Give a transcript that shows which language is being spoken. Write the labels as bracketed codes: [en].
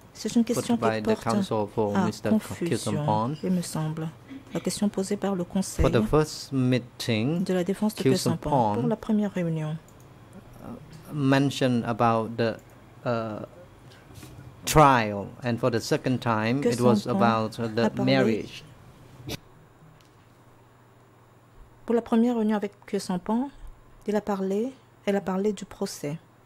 [fr] C'est une question qui porte à confusion, il me semble. La question posée par le conseil [en] for the first meeting, [fr] de la défense de Kyusampong pour la première réunion [en] mentioned about the trial, and for the second time it was about the marriage. [fr] Pour la première réunion avec Kyusampong, elle a parlé du procès.